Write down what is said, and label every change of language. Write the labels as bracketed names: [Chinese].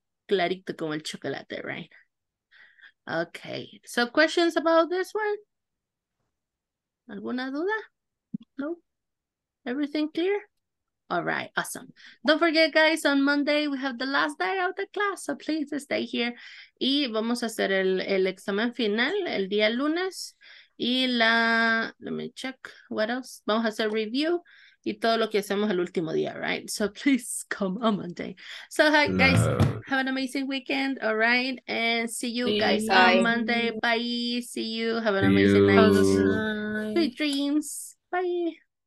[Spanish] Clarito como el chocolate, [English] right? Okay, so questions about this one? [Spanish] ¿Alguna duda? [English] No? Everything clear? All right, awesome. Don't forget, guys, on Monday, we have the last day of the class, so please stay here. [Spanish] Y vamos a hacer el examen final el día lunes. Y la, [English] let me check, what else? [Spanish] Vamos a hacer review y todo lo que hacemos el último día, right? [English] So please come on Monday. So hi, guys, have an amazing weekend, all right? And see you guys on Monday. Bye, see you. Have an amazing night. Sweet dreams. Bye.